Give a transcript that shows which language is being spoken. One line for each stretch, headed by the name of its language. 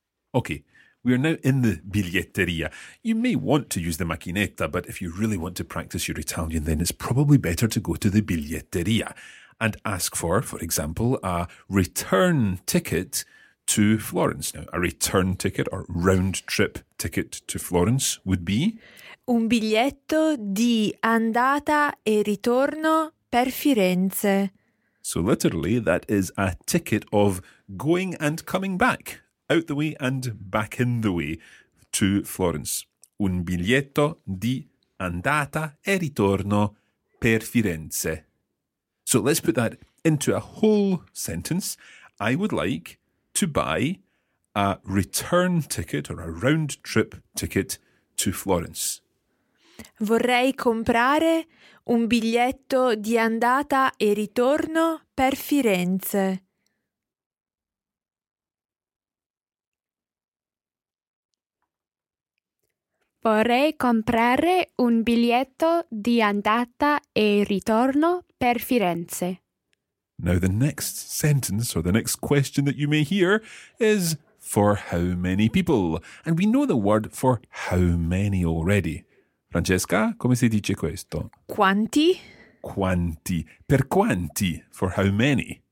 English: Okay, we are now in the biglietteria. You may want to use the macchinetta, but if you really want to practice your Italian, then it's probably better to go to the biglietteria and ask for example, a return ticket to Florence. Now, a return ticket or round trip ticket to Florence would be?
Italian: Un biglietto di andata e ritorno per Firenze.
English: So literally, that is a ticket of going and coming back, out the way and back in the way to Florence.
Italian: Un biglietto di andata e ritorno per Firenze.
English: So let's put that into a whole sentence. I would like to buy a return ticket or a round trip ticket to Florence.
Italian: Vorrei comprare un biglietto di andata e ritorno per Firenze. Vorrei comprare un biglietto di andata e ritorno per Firenze.
English: Now the next sentence or the next question that you may hear is for how many people? And we know the word for how many already.
Italian: Francesca, come si dice questo? Quanti? Quanti. Per quanti?
English: For how many?